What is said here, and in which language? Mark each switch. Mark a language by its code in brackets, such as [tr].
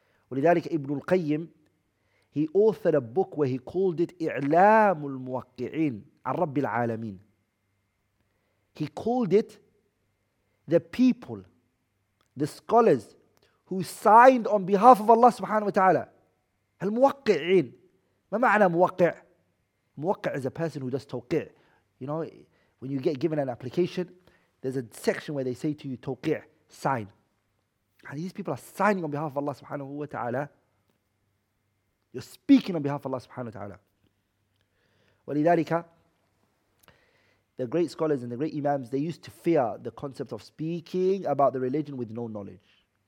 [ar] ولذلك ابن القيم, [en] he authored a book where he called it [ar] إعلام الموقعين عن رب العالمين. [en] He called it the people, the scholars who signed on behalf of Allah subhanahu wa ta'ala. [ar] الموقعين, ما معنى موقع؟ موقع [en] is a person who does [ar] توقيع. [en] You know, when you get given an application, there's a section where they say to you, توقيع, sign. And these people are signing on behalf of Allah subhanahu wa ta'ala. You're speaking on behalf of Allah subhanahu wa ta'ala. وَلِذَلِكَ, the great scholars and the great imams, they used to fear the concept of speaking about the religion with no knowledge.